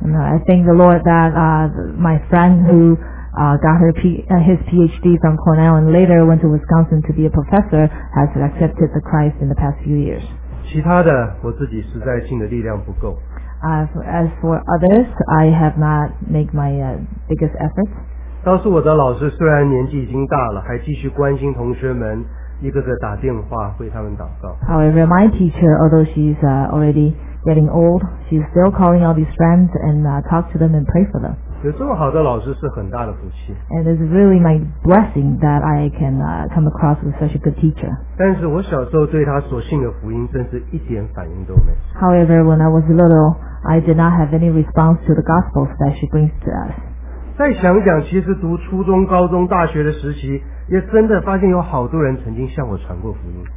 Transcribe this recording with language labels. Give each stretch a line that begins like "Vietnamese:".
English: And I thank the Lord that my friend who got his PhD from Cornell and later went to Wisconsin to be a professor has accepted the Christ in the past few years.
Chinese: 其他的我自己实在信的力量不够。
English: As for others, I have not made my biggest efforts.
Chinese: 当时我的老师虽然年纪已经大了，还继续关心同学们，一个个打电话为他们祷告。
English: However, my teacher, although she's already getting old, she's still calling all these friends and talk to them and pray for them.
Chinese: 有这么好的老师是很大的福气。
English: And it's really my blessing that I can come across with such a good teacher.
Chinese: 但是我小时候对他所信的福音真是一点反应都没有。
English: However, when I was little, I did not have any response to the gospel that she brings to us.
Chinese: 再想想，其实读初中、高中、大学的时期，也真的发现有好多人曾经向我传过福音。